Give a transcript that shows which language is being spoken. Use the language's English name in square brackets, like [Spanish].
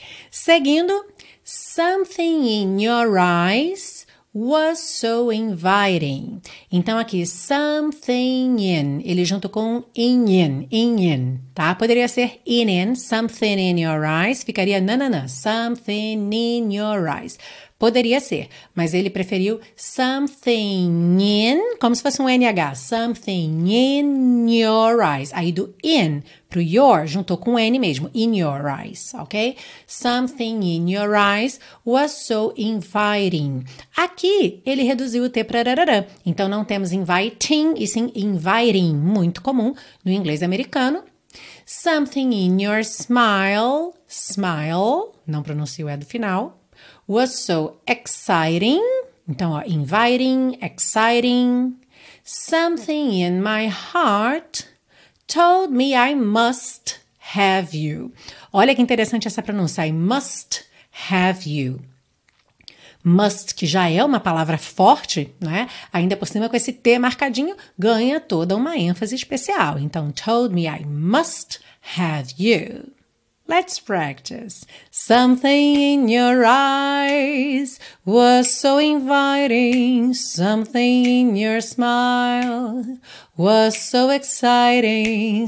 [English] Seguindo, something in your eyes was so inviting. [Portuguese] Então, aqui, [English] something in. [Portuguese] Ele junto com in, tá? Poderia ser in, [English] something in your eyes. [Portuguese] Ficaria nanana, something in your eyes. Poderia ser, mas ele preferiu [English] something in, [Portuguese] como se fosse um NH. [English] Something in your eyes. [Portuguese] Aí do in pro your, juntou com N mesmo. [English] In your eyes, ok? Something in your eyes was so inviting. [Portuguese] Aqui ele reduziu o T para rararã. Então não temos inviting e sim inviting, muito comum no inglês americano. [English] Something in your smile, smile, [Portuguese] não pronuncia o E do final. [English] Was so exciting. [Portuguese] Então, ó, [English] inviting, exciting. Something in my heart told me I must have you. [Portuguese] Olha que interessante essa pronúncia. [English] I must have you. [Portuguese] Must, que já é uma palavra forte, né? Ainda por cima, com esse T marcadinho, ganha toda uma ênfase especial. [English] Então, told me I must have you. Let's practice. Something in your eyes was so inviting. Something in your smile was so exciting.